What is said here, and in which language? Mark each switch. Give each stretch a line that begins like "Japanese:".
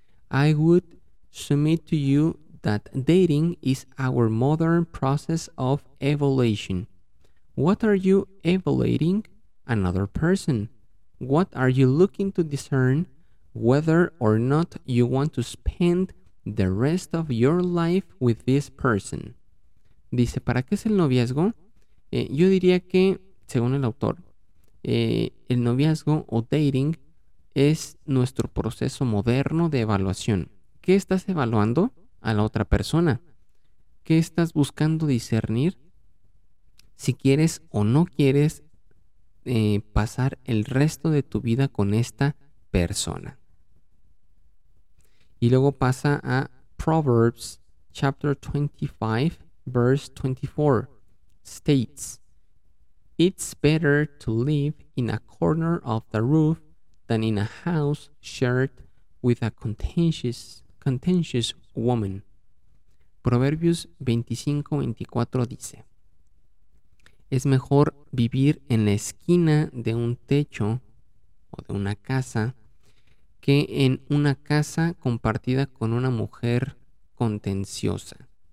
English: I would submit to you that dating is our modern process of evaluation. What are you evaluating? Another person. What are you looking to discern whether or not you want to spend the rest of your life with this person?
Spanish: Dice, ¿para qué es el noviazgo? Yo diría que, según el autor, el noviazgo o dating es nuestro proceso moderno de evaluación. ¿Qué estás evaluando a la otra persona? ¿Qué estás buscando discernir? Si quieres o no quieres pasar el resto de tu vida con esta persona. Y luego pasa a Proverbs, chapter 25.
English: Verse 24 states, It's better to live in a corner of the roof than in a house shared with a contentious woman.
Spanish: Proverbios 25:24 dice, Es mejor vivir en la esquina de un techo o de una casa que en una casa compartida con una mujer contenciosa.